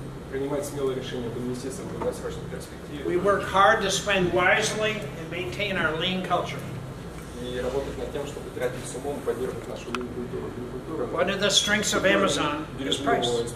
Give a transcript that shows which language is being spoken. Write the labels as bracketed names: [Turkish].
[Russian] Принимать смелые решения в инвестициях в долгосрочной перспективе. [English] We work hard to spend wisely and maintain our lean culture. [Russian] И работать над тем, чтобы тратить с умом, поддерживать нашу lean культуру. [English] One of the strengths of Amazon is price.